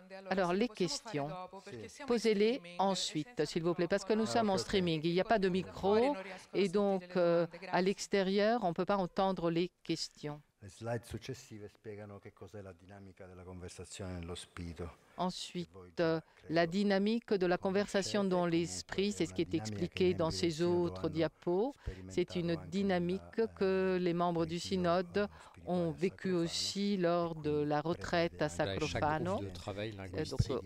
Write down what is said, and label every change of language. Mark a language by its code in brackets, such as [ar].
[fr] Alors, les questions, posez-les ensuite, s'il vous plaît, parce que nous sommes en streaming, il n'y a pas de micro, et donc à l'extérieur, on ne peut pas entendre les questions. Les slides successives [it] spiegano che cos'è la dinamica della conversazione nello spirito. [fr] Ensuite, la dynamique de la conversation dans l'esprit, c'est ce qui est expliqué dans ces autres diapos. C'est une dynamique que les membres du synode ont vécu aussi lors de la retraite à Sacrofano. Donc,